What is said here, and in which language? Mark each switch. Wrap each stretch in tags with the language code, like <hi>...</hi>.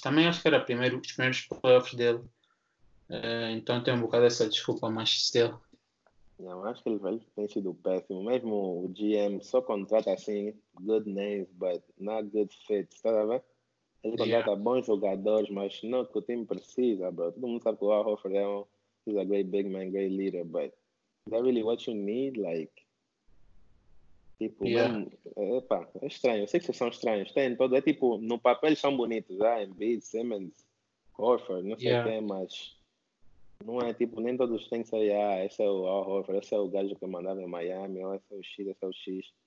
<pt>Também acho que era os primeiros playoffs dele. Então tem um bocado essa desculpa, mas still... Não, acho que ele tem sido péssimo. Mesmo o GM só contrata assim,</pt> <en>good names, but not good fits,</en> <pt>tá vendo? Ele contrata bons jogadores, mas não que o time precisa, bro. Todo mundo sabe que o Al Horford é</pt> <en>he's a great big man, great leader, but is that really what you need?</en> <pt>Like, tipo, epa, é estranho. Eu sei que vocês são estranhos. Tem todo, é tipo, no papel são bonitos, ah, Embiid, Simmons, Horford, não sei o que, mas... Não é tipo, nem todos têm que ser, esse é o Al Horford, esse é o gajo que eu mandava em Miami, ou esse é o X, esse é o X.</pt>